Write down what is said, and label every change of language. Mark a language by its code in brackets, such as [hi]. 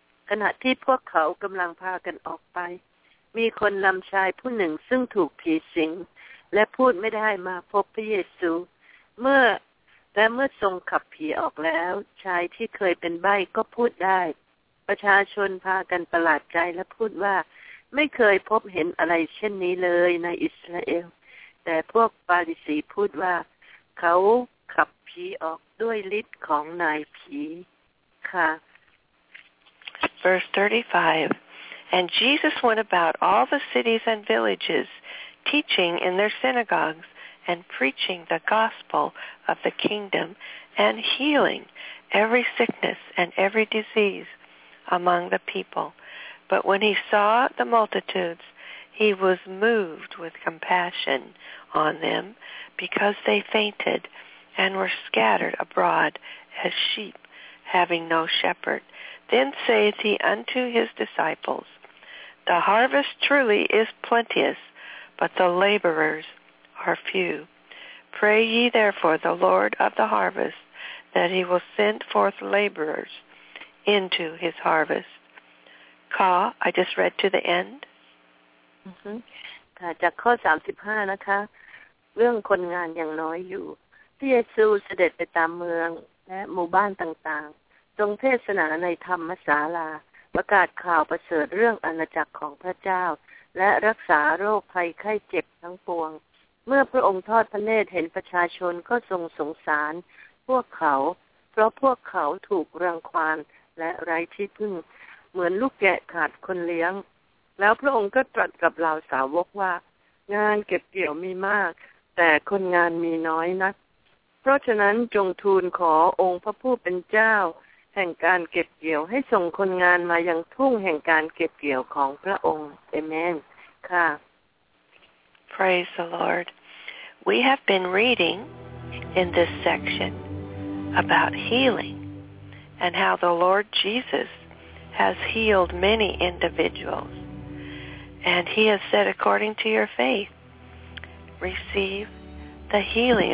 [th] ขณะที่พวกเขากำลังพากันออกไปมีคนนำชายผู้หนึ่งซึ่งถูกผีสิงและพูดไม่ได้มาพบพระเยซูเมื่อทรงขับผีออกแล้วชายที่เคยเป็นใบ้ก็พูดได้ประชาชนพากันประหลาดใจและพูดว่าไม่เคยพบเห็นอะไรเช่นนี้เลยในอิสราเอลแต่พวกฟาริสีพูดว่า เขาขับผีออกด้วยฤทธิ์ของนายผีค่ะ [en] Verse 35 And Jesus went about all the cities and villages teaching in their synagogues and preaching the gospel of the kingdom and healing every sickness and every disease among the people. But when he saw the multitudes, he was moved with compassion on them because they fainted and were scattered abroad as sheep having no shepherd. Then saith he unto his disciples, The harvest truly is plenteous, but the laborers are few. Pray ye therefore the Lord of the harvest, that he will send forth laborers into his harvest. Ka, I just read to the end. Mm-hmm. [th] จากข้อ35นะคะเรื่องคนงานอย่างน้อยอยู่ที่เยซูเสด็จไปตามเมืองและหมู่บ้านต่างๆทรงเทศนาในธรรมศาลาประกาศข่าวประเสริฐเรื่องอาณาจักรของพระเจ้าและรักษาโรคภัยไข้เจ็บทั้งปวงเมื่อพระองค์ทอดพระเนตรเห็นประชาชนก็ทรงสงสารพวกเขาเพราะพวกเขาถูกรังควานและไร้ที่พึ่งเหมือนลูกแกะขาดคนเลี้ยง แล้วพระองค์ก็ตรัสกับเหล่าสาวกว่างานเก็บเกี่ยวมีมากแต่คนงานมีน้อยนักเพราะฉะนั้นจงทูลขอองค์พระผู้เป็นเจ้าแห่งการเก็บเกี่ยวให้ส่งคนงานมายังทุ่งแห่งการเก็บเกี่ยวของพระองค์เอเมนค่ะ [en] Praise the Lord. We have been reading in this section about healing and how the Lord Jesus has healed many individuals. And he has said, according to your faith, receive the healing.